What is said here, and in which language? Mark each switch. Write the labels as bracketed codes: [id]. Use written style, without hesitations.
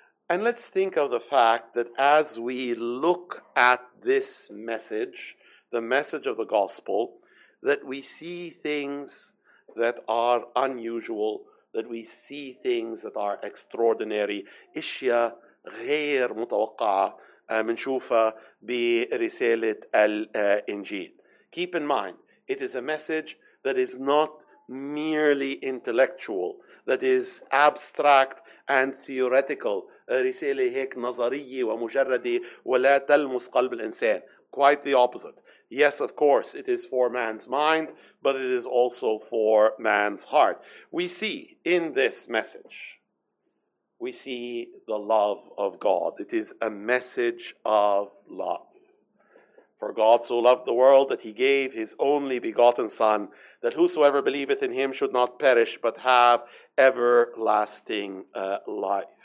[en] And let's think of the fact that as we look at this message, the message of the gospel, that we see things that are unusual, that we see things that are extraordinary. [ar] إشياء غير متوقعة منشوفها برسالة الإنجيل. [en] Keep in mind, it is a message that is not merely intellectual, that is abstract and theoretical. [ar] رسالة هيك نظرية ومجردة ولا تلمس قلب الإنسان. [en] Quite the opposite. Yes, of course, it is for man's mind, but it is also for man's heart. We see in this message, we see the love of God. It is a message of love. For God so loved the world that he gave his only begotten Son, that whosoever believeth in him should not perish, but have everlasting life.